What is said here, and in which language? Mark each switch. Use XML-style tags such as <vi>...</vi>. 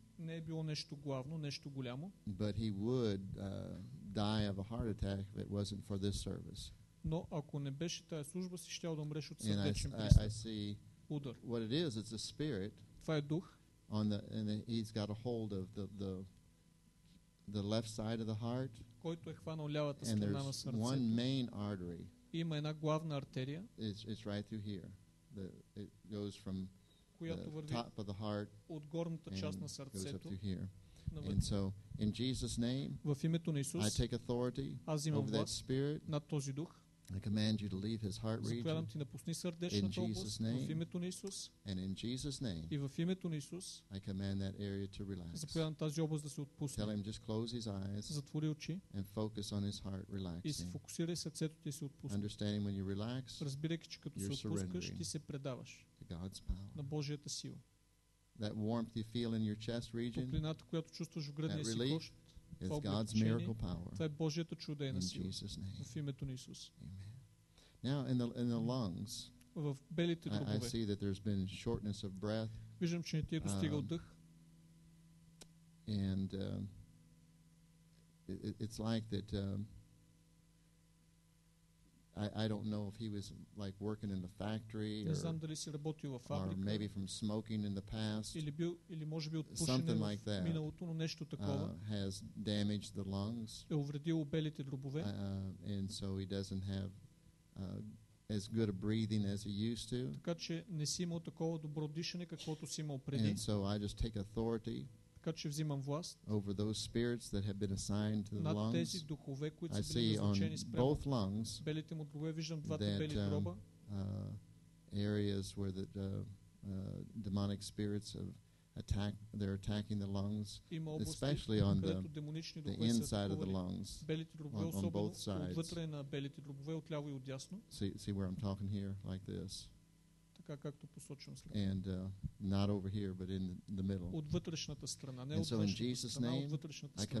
<bg>Не е било нещо главно, нещо голямо.</bg> <en>But he would die of a heart attack if it wasn't for this service.</en> <bg>Но ако не беше тая служба, си щял да умреш от сърдечен пристъп. Удар.</bg> <en>What it is, it's a spirit.</en> <bg>Това е дух.</bg> <en>He's got a hold of the left side of the heart.</en> <bg>Който е хванал лявата страна на сърцето.</bg> <en>And there's one main artery.</en> <bg>Има една главна артерия.</bg> <en>It's right through here. It goes from the top of the heart</en> <bg>от горната част на сърцето.</bg> <en>And so in Jesus' name,</en> <bg>в името на Исус,</bg> <en>I take authority over that spirit.</en> <bg>Над този дух.</bg> <en>I command you to leave his heart region.</en> <bg>Заповядам ти, напусни сърдечната област в името на Исус.</bg> <en>And in Jesus' name,</en> <bg>и в името на Исус,</bg> <en>I command that area to relax.</en> <bg>Заповядам тази област да се отпусне.</bg> <en>Tell him just close his eyes.</en> <bg>Затвори очи.</bg> <en>And focus on his heart relaxing.</en> <bg>И се фокусирай сърцето ти се отпусне.</bg> <en>Understanding when you relax,</en> <bg>разбирайки, че като се отпускаш, ти се предаваш</bg> <en>God's power.</en> <bg>На Божията сила.</bg> <en>That warmth you feel in your chest region.</en> <bg>Топлината, която чувстваш в гръдния си кош.</bg> <en>It's God's miracle power.</en> <bg>Това е Божията чудена сила.</bg> <en>In Jesus' name.</en> <bg>В името на Исус.</bg> <en>Amen. Now in the lungs.</en> <bg>В белите трубове.</bg> <en>I see that there's been shortness of breath.</en> <bg>Виждам, че не ти е достигал дъх.</bg> <en>And it's like that I don't know if he was like working in the factory or maybe from smoking in the past.</en> <bg>Или може би от пушене в миналото, но нещо такова.</bg> <en>Has damaged the lungs.</en> <bg>Е увредило белите дробове.</bg> <en>And so he doesn't have as good a breathing as he used to.</en> <bg>Така че не си имал такова добро дишане, каквото си имал преди.</bg> <en>And so I just take authority.</en> <bg>Така че взимам власт.</bg> <en>Over those spirits that have been assigned to the lungs.</en> <bg>Над тези духове, които са били назначени спрямо</bg> <en>both lungs.</en> <bg>Белите му дробове, виждам двата бели дроба.</bg> <en>Areas where the demonic spirits have attacked, they're attacking the lungs, especially on the inside of the lungs.</en> <bg>Белите дробове,</bg> <en>on both sides.</en> <bg>Отвътре на белите дробове, от ляво и от дясно.</bg> <en>See where I'm talking here, like this.</en> <bg>Както посочвам след.</bg> <en>And not over here but in the middle.</en> <bg>От вътрешната страна, не от външната страна, от вътрешната страна.</bg>